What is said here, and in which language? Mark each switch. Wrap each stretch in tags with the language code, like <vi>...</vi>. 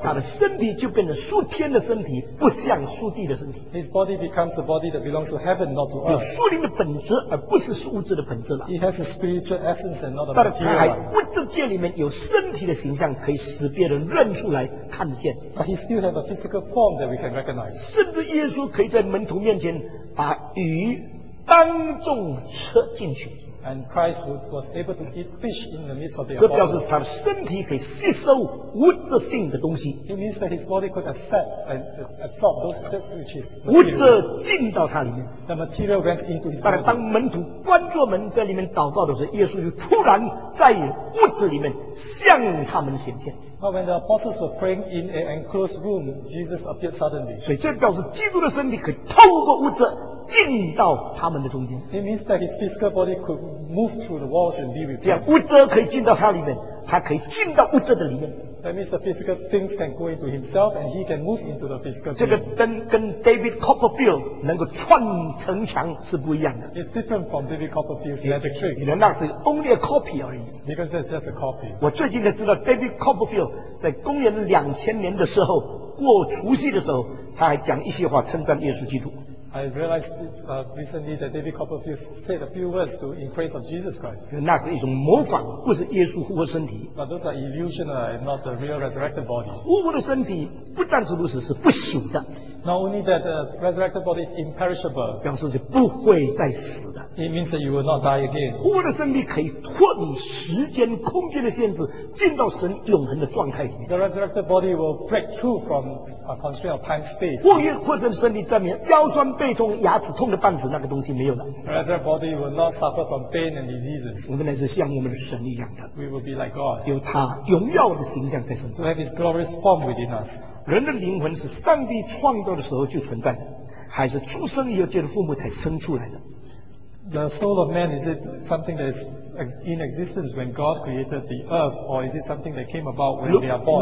<zh>他的身体就变成属天的身体，不像属地的身体。</zh> <en>His body becomes the body that belongs to heaven, not to earth。</en> <zh>有属灵的本质，而不是物质的本质了。</zh> <en>He has a spiritual essence and not a material one。</en> <zh>但是他还物质界里面有身体的形象，可以使别人认出来、看得见。</zh> <en>But he still have a physical form that we can recognize。</en> <zh>甚至耶稣可以在门徒面前把鱼当众吃进去。</zh> <en>And Christ was able to eat fish in the midst of the apostles.</en> <zh>这表示他的身体可以吸收物质性的东西。</zh> <en>It means that his body could accept and absorb those things which is material.</en> <zh>物质进到他里面。</zh> <en>The material went into his body.</en> <zh>但是当门徒关着门在里面祷告的时候，耶稣就突然在物质里面向他们显现。</zh> <en>But when the apostles were praying in an enclosed room, Jesus appeared suddenly.</en> <zh>所以这表示基督的身体可以透过物质进到他们的中间。</zh> <en>It means that his physical body could move through the walls and be with him.</en> <zh>这样物质可以进到他里面，他可以进到物质的里面。</zh> <en>That means the physical things can go into himself and he can move into the physical.</en> <zh>这个跟 David Copperfield 能够穿城墙是不一样的。</zh> <en>It's different from David Copperfield's magic trick.</en> <zh>原来那是</zh> <en>only a copy</en> <zh>而已。</zh> <en>Because that's just a copy.</en> <zh>我最近才知道 David Copperfield 在公元2000年的时候过除夕的时候，他还讲一些话称赞耶稣基督。</zh> <en>I realized recently that David Copperfield said a few words to in praise of Jesus Christ.</en> <zh>那是一种模仿，不是耶稣复活身体。</zh> <en>But those are illusion, not the real resurrected body.</en> <zh>复活的身体不但是如此，是不朽的。</zh> <en>Not only that the resurrected body is imperishable.</en> <zh>表示就不会再死的。</zh> <en>It means that you will not die again.</en> <zh>复活的身体可以脱离时间、空间的限制，进到神永恒的状态里面。</zh> <en>The resurrected body will break through from a constraint of time space.</en> <zh>复活的身体证明腰酸背痛、牙齿痛的半死那个东西没有了。</zh> <en>The resurrected body will not suffer from pain and diseases.</en> <zh>我们乃是像我们的神一样的。</zh> <en>We will be like God.</en> <zh>有他荣耀的形象在身上。</zh> <en>To have His glorious form within us.</en> <zh>人的灵魂是上帝创造的时候就存在的，还是出生以后借着父母才生出来的？</zh> <en>The soul of man, is it something that is in existence when God created the earth, or is it something that came about when they are born?</en>